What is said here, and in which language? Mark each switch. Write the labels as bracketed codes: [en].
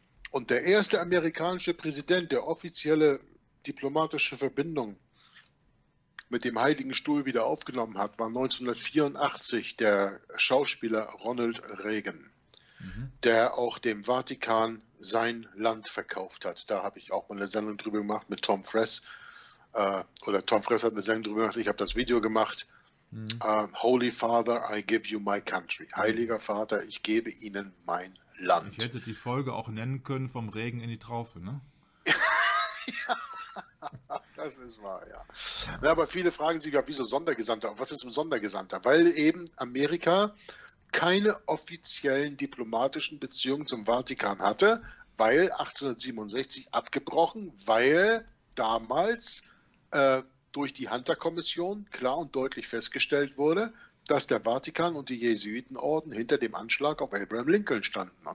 [de] Und der erste amerikanische Präsident, der offizielle diplomatische Verbindung mit dem Heiligen Stuhl wieder aufgenommen hat, war 1984 der Schauspieler Ronald Reagan, der auch dem Vatikan sein Land verkauft hat. Da habe ich auch mal eine Sendung drüber gemacht mit Tom Fress. Oder Tom Fress hat eine Sendung drüber gemacht, ich habe das Video gemacht. [en] Holy Father, I give you my country. [de] Heiliger Vater, ich gebe Ihnen mein Land. Ich hätte die Folge auch nennen können, vom Regen in die Traufe, ne? Das ist wahr, ja. Na, aber viele fragen sich ja, wieso Sondergesandter? Was ist ein Sondergesandter? Weil eben Amerika keine offiziellen diplomatischen Beziehungen zum Vatikan hatte, weil 1867 abgebrochen, weil damals durch die Hunter-Kommission klar und deutlich festgestellt wurde, dass der Vatikan und die Jesuitenorden hinter dem Anschlag auf Abraham Lincoln standen.